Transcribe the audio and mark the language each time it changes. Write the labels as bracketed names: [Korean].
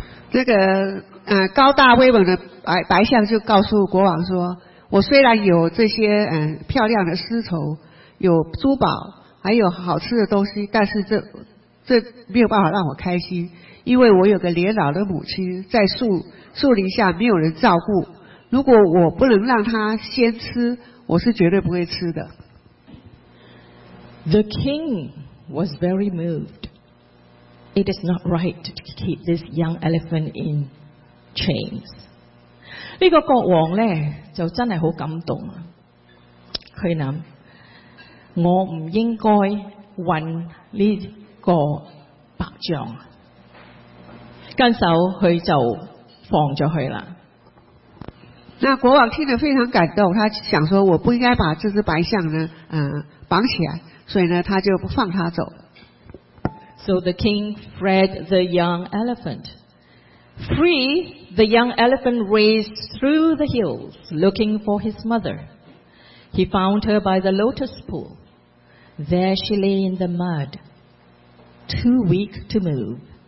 [Chinese] 这个高大威猛的白象就告诉国王说，我虽然有这些漂亮的丝绸，有珠宝，还有好吃的东西，但是这没有办法让我开心，因为我有个年老的母亲在树林下没有人照顾，如果我不能让她先吃，我是绝对不会吃的。 [English] The king was very movedIt is not right to keep this young elephant in chains. [Chinese] 这个国王呢就真的很感动。他想，我不应该困这个白象。跟着他就放了他了。那国王听得非常感动，他想说我不应该把这只白象呢绑起来，所以呢他就放他走。 [English] So the king freed the young elephant. Free, the young elephant raced through the hills looking for his mother. He found her by the lotus pool. There she lay in the mud, too weak to move.